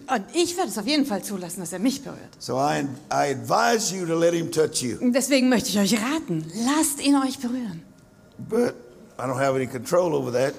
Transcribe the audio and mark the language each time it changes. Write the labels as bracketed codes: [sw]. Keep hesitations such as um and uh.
[de] Und ich werde es auf jeden Fall zulassen, dass er mich berührt. [en] So I, I advise you to let him touch you. [de] Deswegen möchte ich euch raten, lasst ihn euch berühren. [en] But I don't have any control over that.